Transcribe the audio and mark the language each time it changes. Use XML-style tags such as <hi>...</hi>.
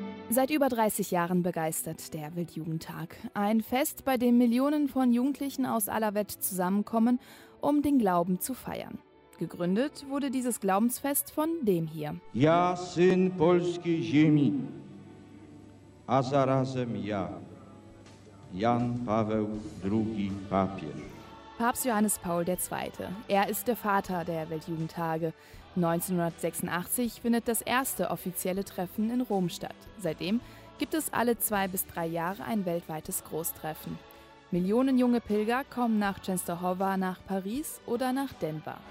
<de>Seit über 30 Jahren begeistert der Weltjugendtag. Ein Fest, bei dem Millionen von Jugendlichen aus aller Welt zusammenkommen, um den Glauben zu feiern. Gegründet wurde dieses Glaubensfest von dem hier.</de> <pl>Ja, syn polskiej ziemi, a zarazem ja, Jan Paweł II, papież.</pl> <de>Papst Johannes Paul II. Er ist der Vater der Weltjugendtage. 1986 findet das erste offizielle Treffen in Rom statt. Seitdem gibt es alle 2 bis 3 Jahre ein weltweites Großtreffen. Millionen junge Pilger kommen nach Częstochowa, nach Paris oder nach Denver.</de>